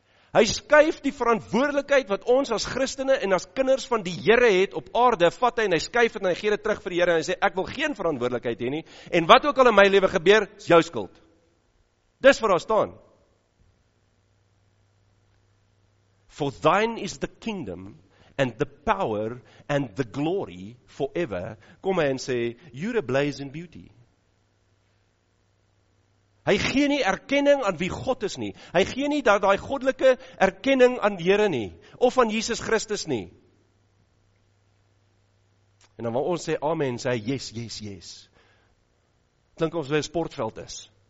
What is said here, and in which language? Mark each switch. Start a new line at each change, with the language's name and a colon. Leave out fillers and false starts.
Afrikaans: Hy skuif die verantwoordelikheid wat ons as Christene en as kinders van die Here het op aarde, vat hy en hy skuif het en hy gee dit terug vir die Here en hy sê, ek wil geen verantwoordelikheid hê nie en wat ook al in my lewe gebeur, is jou skuld. Dis waar daar staan.
English: For thine is the kingdom and the power and the glory forever.
Afrikaans: Kom hy en sê,
English: you're a blaze in beauty.
Afrikaans: Hy gee nie erkenning aan wie God is nie. Hy gee nie dat daai goddelike erkenning aan die Here nie. Of aan Jesus Christus nie. En dan wil ons sê amen, sê yes, yes, yes. Klink of hy 'n sportveld is.